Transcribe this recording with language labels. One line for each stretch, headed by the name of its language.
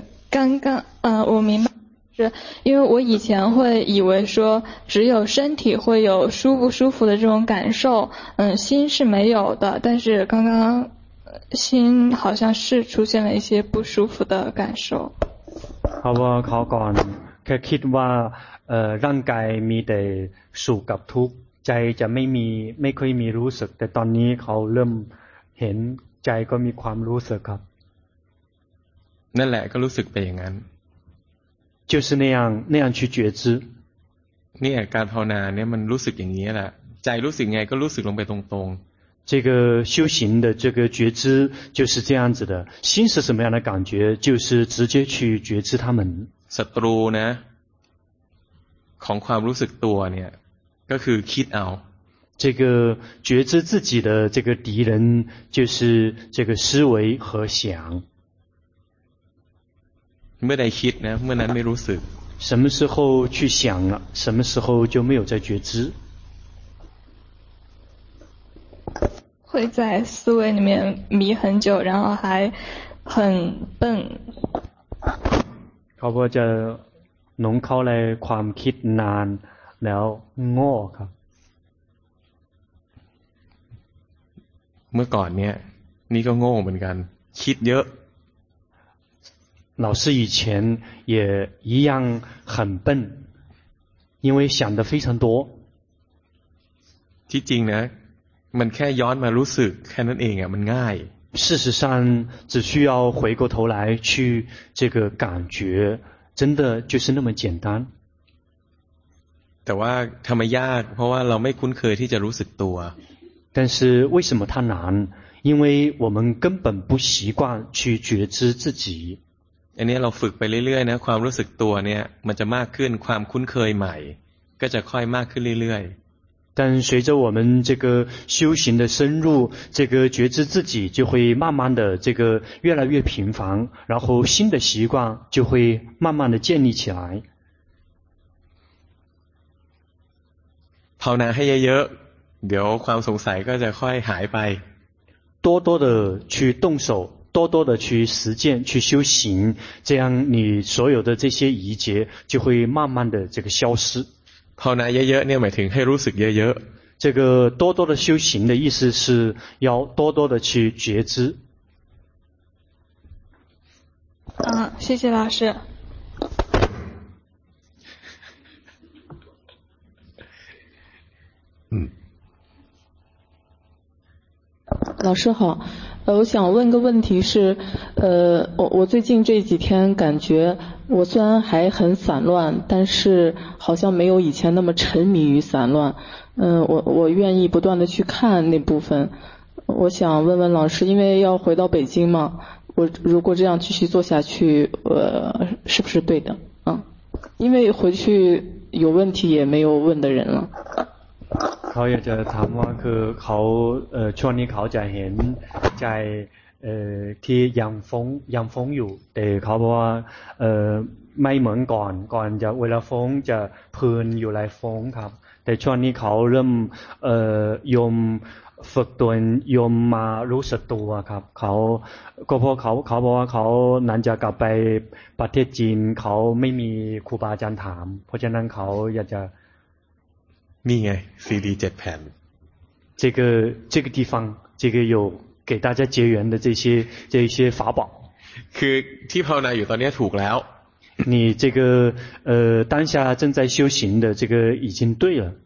Chinese: 刚刚我明白是因为我以前会以为说只有身体会有舒不舒服的这种感受心是没有的但是刚刚心好像是出现了一些不舒服的感受
Thai: เขาบอกเขาก่อนแค่คิดว่าร่างกายมีแต่สุขกับทุกข์ใจจะไม่เคยมีรู้สึกแต่ตอนนี้เขาเริ่มเห็นใจก็มีความรู้สึกครับ นั่นแหละก็รู้สึกไปอย่างนั้น
Chinese: 就是那样去觉知
Thai: เนี่ยการภาวนาเนี่ยมันรู้สึกอย่างนี้แหละใจรู้สึกไงก็รู้สึกลงไปตรง
Chinese: ๆ这个修行的这个觉知就是这样子的心是什么样的感觉就是直接去觉知他们
Thai: ศัตรูนะของความรู้สึกตัวเนี่ยก็คือคิดเอา
Chinese: 这个觉知自己的这个敌人就是这个思维和想
Thai: เมื่อใดคิดนะเมื่อนั้นไม่รู้สึก
Chinese: 什么时候去想了什么时候就没有在觉知会在思维里面迷很久然后还很笨
Thai: เขาบอกจะหลงเข้าในความคิดนานแล้วโง่ครับ เมื่อก่อนเนี่ยนี่ก็โง่เหมือนกันคิดเยอะ
Chinese: 老师以前也一样很笨因为想的非常多
Thai: ที่จริงนะมันแค่ย้อนมารู้สึกแค่นั้นเองอ่ะมันง่าย
Chinese: 事实上只需要回过头来去这个感觉真的就是那么简单
Thai: แต่ว่าทำไมยากเพราะว่าเราไม่คุ้นเคยที่จะรู้สึกตัว
Chinese: 但是为什么它难因为我们根本不习惯去觉知自己
Thai: อันนี้เราฝึกไปเรื่อยๆนะความรู้สึกตัวเนี่ยมันจะมากขึ้นความคุ้นเคยใหม่ก็จะค่อยมากขึ้นเรื่อย
Chinese: ๆ但随着我们这个修行的深入这个觉知自己就会慢慢的这个越来越频繁然后新的习惯就会慢慢的建立起来
Thai: ภาวนาให้เยอะๆเดี๋ยวความสงสัยก็จะค่อยหายไป
Chinese: 多多的去动手多多的去实践去修行这样你所有的这些疑结就会慢慢的这个消失
Thai: ภาวนาเยอะๆเนี่ยหมายถึงให้รู้สึกเยอะ
Chinese: ๆ这个多多的修行的意思是要多多的去觉知谢谢老师老师好我想问个问题是我最近这几天感觉我虽然还很散乱但是好像没有以前那么沉迷于散乱我愿意不断的去看那部分我想问问老师因为要回到北京嘛我如果这样继续做下去是不是对的因为回去有问题也没有问的人了
Thai: เขาอยากจะถามว่าคือเขาช่วงนี้เขาจะเห็นใจที่ยังฟงอยู่แต่เขาบอกว่าไม่เหมือนก่อนจะเวลาฟงจะพื้นอยู่หลายฟงครับแต่ช่วงนี้เขาเริ่มยมฝึกตัวยมมารู้สึกตัวครับเขาก็เขาบอกว่าเขาหลังจากกลับไปประเทศจีนเขาไม่มีครูบาอาจารย์ถามเพราะฉะนั้นเขาอยากจะ นี่ไง CD 7แผ่น
Chinese: 这个地方这个有给大家结缘的这些法宝
Thai: คือที่ภาวนาอยู่ตอนนี้ถูกแล้ว
Chinese: 你这个当下正在修行的这个已经对了